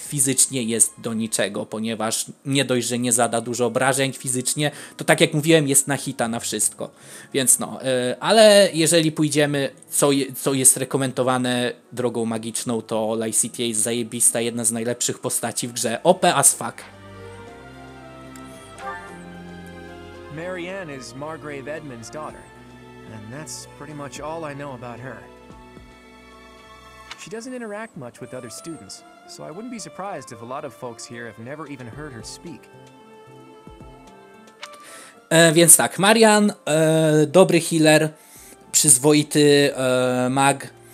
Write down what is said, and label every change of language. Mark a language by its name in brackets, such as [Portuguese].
[Polish] Fizycznie jest do niczego, ponieważ nie dość, że nie zada dużo obrażeń fizycznie, to tak jak mówiłem, jest na hita na wszystko. Więc no, ale jeżeli pójdziemy, co jest rekomendowane drogą magiczną, to Lysithię jest zajebista, jedna z najlepszych postaci w grze. [English] OP as fuck. Marianne is Margrave Edmund's daughter. And that's pretty much all I know about her. She doesn't interact much with other students, so I wouldn't be surprised if a lot of folks here have never even heard her speak. [Polish] Więc tak, Marianne, dobry healer, przyzwoity mag.